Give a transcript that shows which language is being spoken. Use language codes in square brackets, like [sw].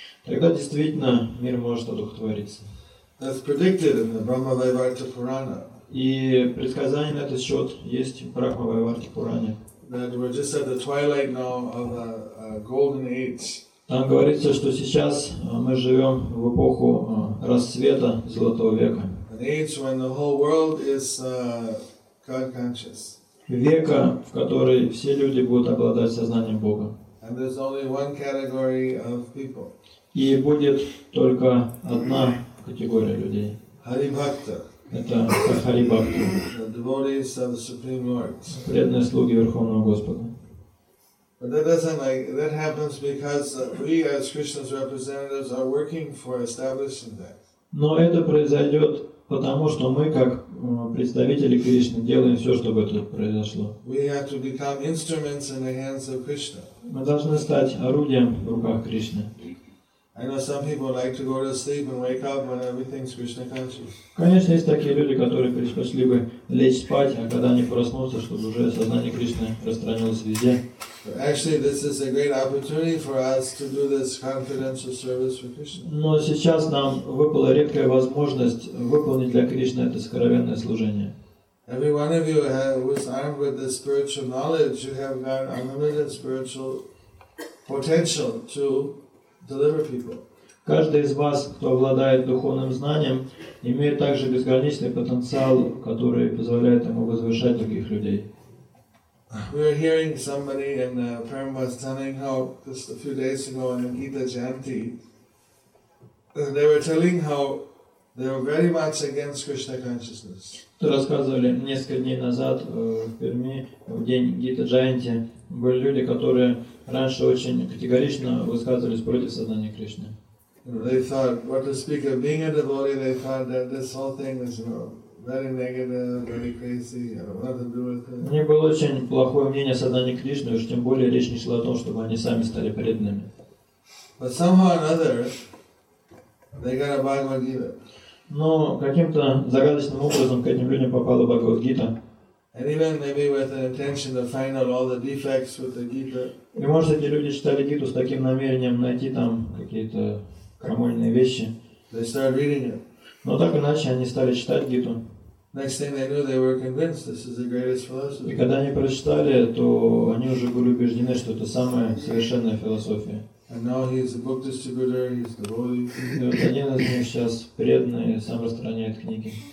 [ru] Тогда действительно мир может одухотвориться. [en] That's predicted in the Brahma-Vaivarta Purana. [ru] И предсказание на этот счет есть в Брахма-Вайварте Пуране. [en] That we're just at the twilight now of a golden age. [ru] Там говорится, что сейчас мы живем в эпоху расцвета Золотого века. [en] An age when the whole world is God-conscious. [ru] Века, в который все люди будут обладать сознанием Бога. [en] And there's only one category of people. [ru] И будет только одна категория людей. Харибхакта. Это Харибхакта. [en] The devotees of the Supreme Lord. [ru] Преданные слуги Верховного Господа. [en] But that doesn't like that happens because we as Krishna's representatives are working for establishing that. [ru] Но это произойдет потому, что мы как представители Кришны делаем все, чтобы это произошло. [en] We have to become instruments in the hands of Krishna. [ru] Мы должны стать орудием в руках Кришны. [en] I know some people like to go to sleep and wake up when everything's Krishna conscious. [ru] Конечно, есть такие люди, которые предпочли бы лечь спать, а когда они проснутся, чтобы уже сознание Кришны распространилось везде. [en] Actually, this is a great opportunity for us to do this confidential service for Krishna. [ru] Но сейчас нам выпала редкая возможность выполнить для Кришны это сокровенное служение. [en] Every one of you who's armed with this spiritual knowledge, you have got unlimited spiritual potential to deliver people. [ru] Каждый из вас, кто обладает духовным знанием, имеет также безграничный потенциал, который позволяет ему возвышать других людей. [en] We were hearing somebody in Prem was telling how just a few days ago in Gita Jayanti, they were telling how they were very much against Krishna consciousness. [ru] Рассказывали несколько дней назад в Перми в день Гита Джайанти были люди, которые раньше очень категорично высказывались против сознания Кришны. [en] They thought, what to speak of being a devotee, they thought that this whole thing is very negative, very crazy, what to do with it. [ru] У них было очень плохое мнение о сознании Кришны, уж тем более речь не шла о том, чтобы они сами стали преданными. [en] But somehow or another, they got a Bhagavad Gita. [ru] Но каким-то загадочным образом к этим людям попала Бхагавад-гита. [en] And even maybe with the intention of finding all the defects with the Gita. [ru] И может эти люди читали Гиту с таким намерением найти там какие-то крамольные вещи. [en] They started reading it. [ru] Но так иначе они стали читать Гиту. [en] Next thing they knew, they were convinced this is the greatest philosophy. [ru] И когда они прочитали, то они уже были убеждены, что это самая совершенная философия. [en] And now he is a book distributor. He's the holy. [ru] Вот один из них сейчас преданный, сам распространяет книги.